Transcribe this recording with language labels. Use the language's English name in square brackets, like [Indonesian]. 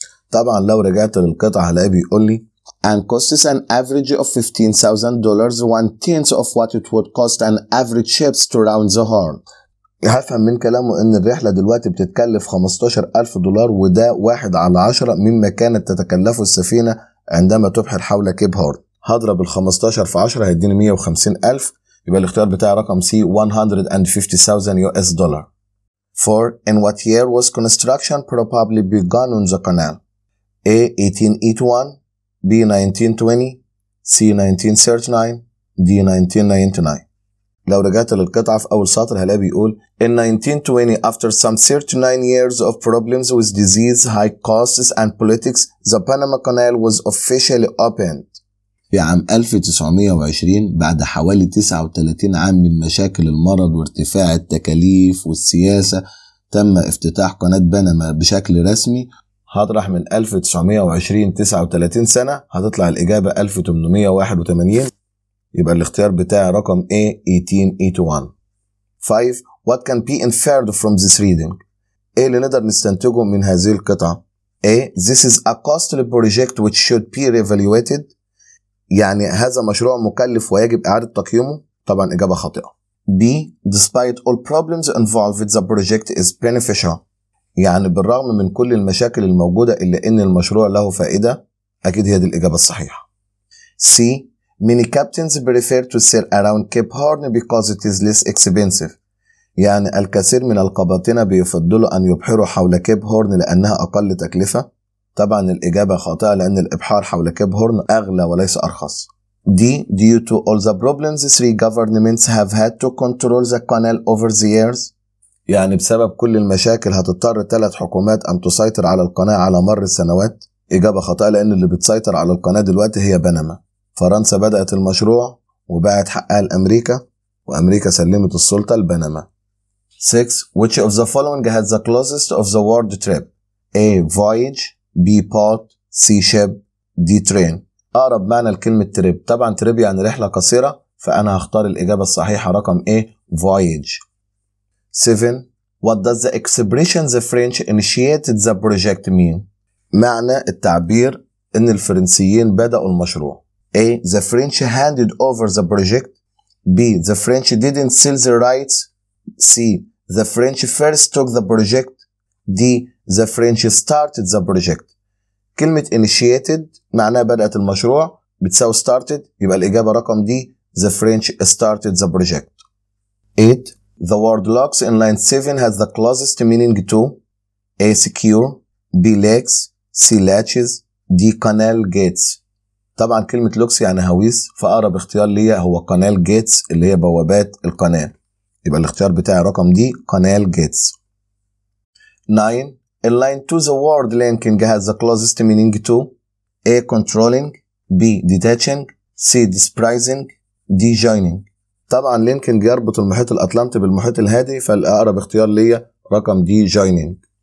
[Arabic] طبعا لو رجعت للقطعة هلاقيه بيقول لي [English] and costs an average of 15,000 dollars one tenth of what it would cost an average ship to round the horn. [Arabic] هفهم من كلامه ان الرحلة دلوقتي بتتكلف 15,000 دولار وده 1/10 مما كانت تتكلفه السفينة عندما تبحر حول كيب هورن. هضرب ال 15 في 10 هيديني 150,000، يبقى الاختيار بتاع رقم C 150,000 [English] US dollar. 4. In what year was construction probably begun on the canal? A 1881 B 1920 C 1939 D 1999. [Arabic] لو رجعت للقطعة في أول سطر هلا بيقول [English] In 1920 after some 39 years of problems with disease, high costs and politics, the Panama Canal was officially opened. [Arabic] في عام 1920 بعد حوالي 39 عام من مشاكل المرض وارتفاع التكاليف والسياسة تم افتتاح قناة بنما بشكل رسمي. هطرح من 1920 39 سنة، هتطلع الإجابة 1881، يبقى الاختيار بتاع رقم A 1881. 5. [English] What can be inferred from this reading؟ [Arabic] إيه اللي نقدر نستنتجه من هذه القطعة؟ [English] A. This is a costly project which should be re-evaluated. [Arabic] يعني هذا مشروع مكلف ويجب إعادة تقييمه. طبعا إجابة خاطئة. B. [English] Despite all problems involved the project is beneficial. [Arabic] يعني بالرغم من كل المشاكل الموجودة إلا إن المشروع له فائدة. أكيد هي دي الإجابة الصحيحة. C. [English] Many captains prefer to sail around Cape Horn because it is less expensive. [Arabic] يعني الكثير من القباطنة بيفضلوا أن يبحروا حول كيب هورن لأنها أقل تكلفة. طبعا الإجابة خاطئة لأن الإبحار حول كيب هورن أغلى وليس أرخص. D. [English] Due to all the problems three governments have had to control the canal over the years. [Arabic] يعني بسبب كل المشاكل هتضطر ثلاث حكومات أن تسيطر على القناة على مر السنوات. إجابة خاطئة لأن اللي بتسيطر على القناة دلوقتي هي بنما. فرنسا بدأت المشروع وباعت حقها لأمريكا وأمريكا سلمت السلطة لبنما. 6. [English] Which of the following had the closest of the world trip? A. Voyage B. Port C. Ship D. Train. [Arabic] أقرب معنى الكلمة trip، طبعا trip يعني رحلة قصيرة، فأنا هختار الإجابة الصحيحة رقم A Voyage. 7. [English] What does the expression the French initiated the project mean؟ [Arabic] معنى التعبير إن الفرنسيين بدأوا المشروع. [English] A. The French handed over the project B. The French didn't sell the rights C. The French first took the project D. The French started the project. [Arabic] كلمة initiated معناها بدأت المشروع بتساوي started، يبقى الإجابة رقم D [English] The French started the project. 8. The word locks in line 7 has the closest meaning to A. Secure B. Legs C. Latches D. Canal Gates. [Arabic] طبعا كلمة locks يعني هويس، فأقرب اختيار ليا هو Canal Gates اللي هي بوابات القناة، يبقى الاختيار بتاع رقم D Canal Gates. 9. [English] In line 2 the word linking has the closest meaning to A. Controlling B. Detaching C. Despising D. Joining. [Arabic] طبعا لينكينج يربط المحيط الاطلنطي بالمحيط الهادي، فالاقرب اختيار ليا رقم دي جوينينج.